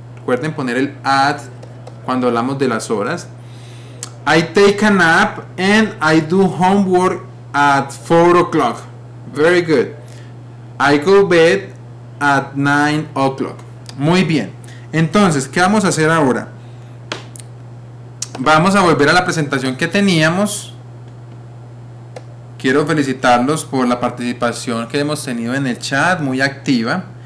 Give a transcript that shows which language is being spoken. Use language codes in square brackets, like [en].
[es] Recuerden poner el at cuando hablamos de las horas. [en] I take a nap and I do homework at 4:00. Very good. I go bed at 9:00. [es] Muy bien, entonces, ¿qué vamos a hacer ahora? Vamos a volver a la presentación que teníamos. Quiero felicitarlos por la participación que hemos tenido en el chat, muy activa.